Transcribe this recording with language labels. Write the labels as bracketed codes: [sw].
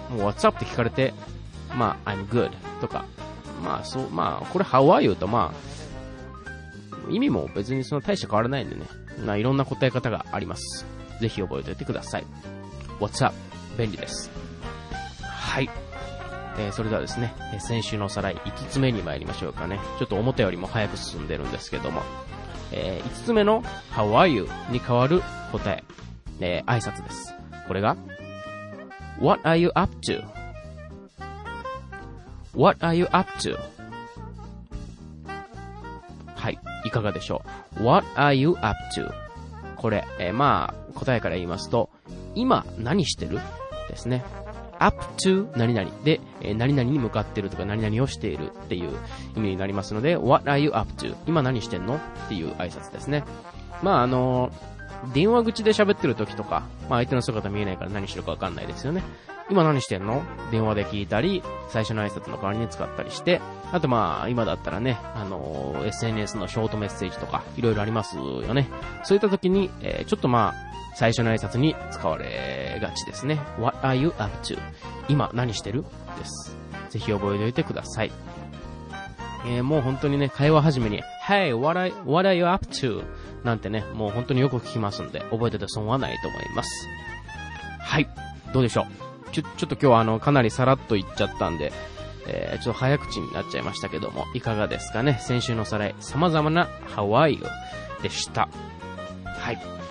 [ja] もう [en] What's up [ja] って聞かれて、まあ [en] I'm good [ja] とか、まあそう、まあこれ [en] How are you [ja] とまあ意味も別にその大して変わらないんでね。まあいろんな答え方があります。ぜひ覚えておいてください。 [en] What's up [ja] 便利です。はい。それではですね、先週のおさらい5つ目に参りましょうかね。ちょっと思ったよりも早く進んでるんですけども。 [en] 5つ目の How are you? [ja] に変わる答え、挨拶です。 [en] これが What are you up to? What are you up to? [ja] はい、いかがでしょう。 [en] What are you up to? [ja] これ、まあ答えから言いますと今何してるですね。 up to 何々で、何々に向かってるとか何々をしているっていう意味になりますので、 [en] What are you up to? [ja] 今何してんのっていう挨拶ですね。まあ電話口で喋ってる時とか、まあ相手の姿見えないから何してるか分かんないですよね。今何してんの? 電話で聞いたり、最初の挨拶の代わりに使ったりして、あとまあ今だったらね、SNS のショートメッセージとかいろいろありますよね。そういった時に、ちょっとまあ最初の挨拶に使われがちですね。 [en] What are you up to? [ja] 今何してる?です。ぜひ覚えておいてください。もう本当にね、会話始めに、 [en] Hey, what are you up to? [ja] なんてね、もう本当によく聞きますんで、覚えてて損はないと思います。はい、どうでしょう。ちょっと今日はかなりさらっと言っちゃったんで、ちょっと早口になっちゃいましたけども、いかがですかね。先週のおさらい、様々な [en] How are you? [ja] でした。はい。